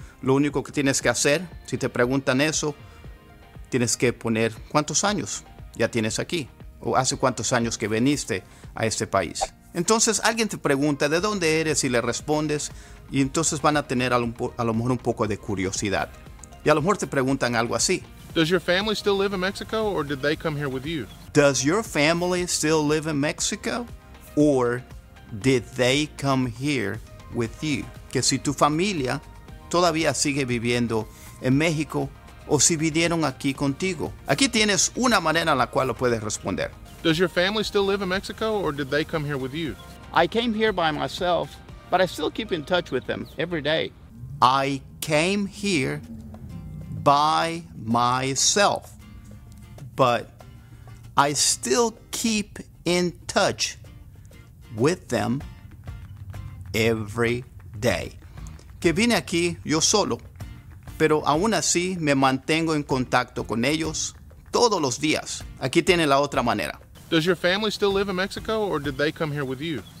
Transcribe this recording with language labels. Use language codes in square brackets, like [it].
[es] Lo único que tienes que hacer, si te preguntan eso, tienes que poner ¿cuántos años ya tienes aquí? ¿O hace cuántos años que viniste a este país? Entonces, alguien te pregunta ¿de dónde eres? Y le respondes, y entonces van a tener a lo mejor un poco de curiosidad. Y a lo mejor te preguntan algo así. [en] Does your family still live in Mexico, or did they come here with you? Does your family still live in Mexico, or did they come here with you? [es] Que si tu familia todavía sigue viviendo en México, o si vinieron aquí contigo. Aquí tienes una manera en la cual lo puedes responder. [en] Does your family still live in Mexico, or did they come here with you? I came here by myself, but I still keep in touch with them every day. I came here by myself, but I still keep in touch with them every day. [es] Que vine aquí yo solo, pero aún así me mantengo en contacto con ellos todos los días. Aquí tiene la otra manera. [en] Does your family still live in Mexico, or did they come here with you?